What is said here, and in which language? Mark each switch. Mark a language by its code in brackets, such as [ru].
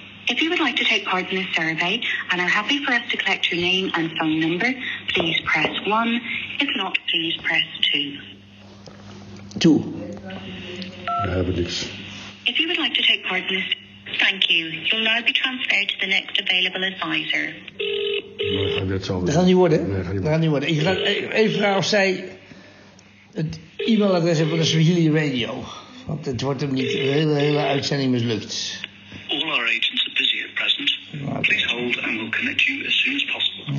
[en] If you would like to take part in this survey and are happy for us to collect your name and phone number, please press 1. If not, please press 2. 2. I have it. If you would like to take part in this... Thank you. You'll now be transferred to the next available advisor. [nl] Dat gaat niet worden. Dat gaat niet worden. Ik ga even vragen of zij het e-mailadres hebben van de Swahili Radio. Want het wordt hem niet de hele uitzending mislukt. [en] All our agents are busy at present. Please hold and we'll connect you as soon as possible.